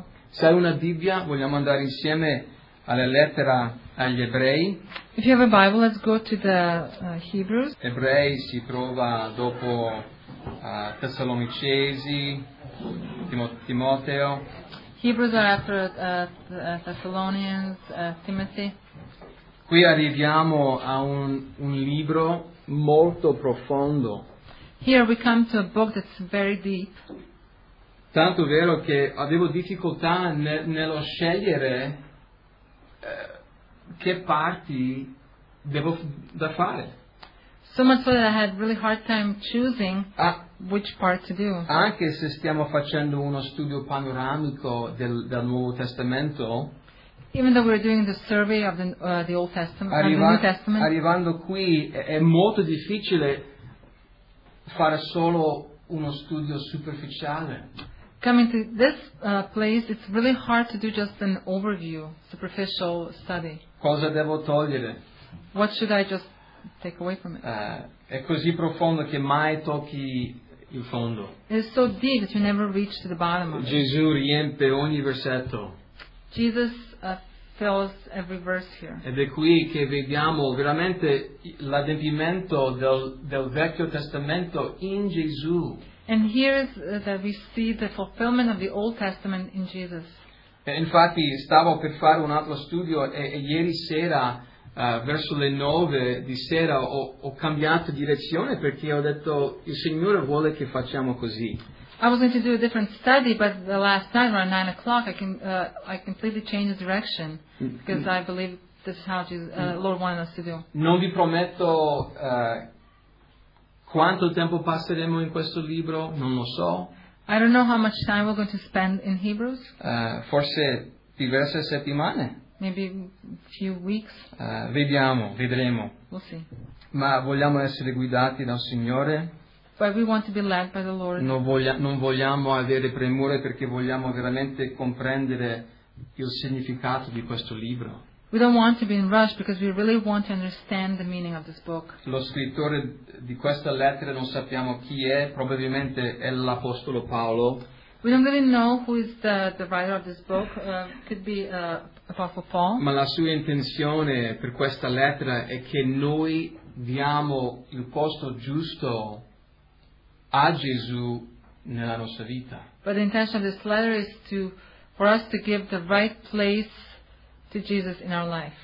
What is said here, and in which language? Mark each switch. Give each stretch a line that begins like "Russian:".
Italian: Se hai una Bibbia, vogliamo andare insieme alla lettera agli Ebrei.
English: If you have a Bible, let's go to the Hebrews.
Italian: Ebrei si trova dopo Tessalonicesi, Timoteo.
English: Hebrews are after Thessalonians, Timothy.
Italian: Qui arriviamo a un libro molto profondo.
English: Here we come to a book that's very deep.
Italian: Tanto vero che avevo difficoltà nello scegliere che parti devo da fare.
English: So much so that I had really hard time choosing which part to do.
Italian: Anche se stiamo facendo uno studio panoramico del Nuovo Testamento.
English: Even though we're doing the survey of the Old Testament and the New Testament.
Italian: Arrivando qui è molto difficile fare solo uno studio superficiale.
English: Coming to this place, it's really hard to do just an overview, superficial study.
Italian: Cosa devo togliere?
English: What should I just take away from it?
Italian: È così profondo che mai tocchi il fondo.
English: It's so deep that you never reach to the bottom of it.
Italian: Gesù riempie ogni versetto.
English: Jesus fills every verse here.
Italian: Ed è qui che vediamo veramente l'adempimento del Vecchio Testamento in Gesù.
English: And here is that we see the fulfillment of the Old Testament in Jesus.
Italian: E infatti stavo per fare un altro studio e ieri sera, verso le 9 di sera, ho cambiato direzione perché ho detto il Signore vuole che facciamo così.
English: I was going to do a different study, but the last night around 9 o'clock, I completely changed the direction because I believe this is how Jesus, Lord wanted us to do.
Italian: Non vi prometto quanto tempo passeremo in questo libro, non lo so.
English: I don't know how much time we're going to spend in Hebrews.
Italian: Forse diverse settimane.
English: Maybe a few weeks.
Italian: Vedremo.
English: We'll see.
Italian: Ma vogliamo essere guidati dal Signore.
English: But we want to be led by the Lord.
Italian: Non vogliamo avere premure perché vogliamo veramente comprendere il significato di questo libro.
English: We don't want to be in rush because we really want to understand the meaning of this book.
Italian: Lo scrittore di questa lettera non sappiamo chi è, probabilmente è l'apostolo Paolo.
English: We don't really know who is the writer of this book. Could be Apostle Paul.
Italian: Ma la sua intenzione per questa lettera è che noi diamo il posto giusto a Gesù nella nostra vita.
English: But the intention of this letter is for us to give the right place to Jesus in our life.